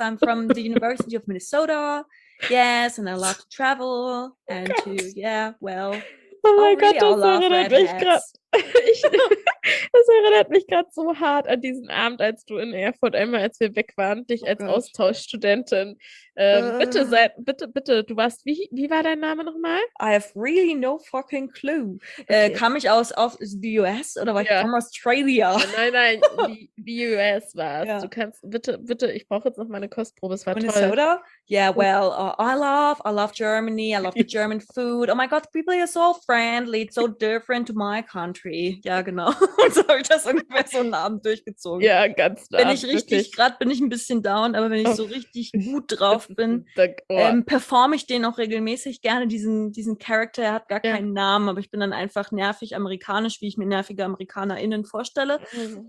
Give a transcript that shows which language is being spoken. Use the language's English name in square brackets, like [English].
[English] I'm from the University of Minnesota. Yes, and I love to travel and to, [German] oh mein really Gott, das erinnert mich gerade so hart an diesen Abend, als du in Erfurt einmal, als wir weg waren, dich als Austauschstudentin. Bitte, du warst, wie war dein Name nochmal? [English] I have really no fucking clue. [German] Okay. Kam ich aus [English] the US [German] oder war ich [English] from Australia? [German] Nein, [English] the US [German] war es. Ja. Du kannst, bitte, ich brauche jetzt noch meine Kostprobe, es war Minnesota? Toll. Minnesota? [English] Yeah, well, I love Germany, I love the German food. Oh my God, people are so friendly, it's so different to my country. [German] Ja, genau. Und so habe ich das ungefähr so einen Abend durchgezogen. Ja, ganz nah. Wenn ich richtig, gerade bin ich ein bisschen down, aber wenn ich so richtig gut drauf bin, performe ich den auch regelmäßig gerne, diesen Charakter. Er hat gar keinen Namen, aber ich bin dann einfach nervig amerikanisch, wie ich mir nervige AmerikanerInnen vorstelle. Mhm.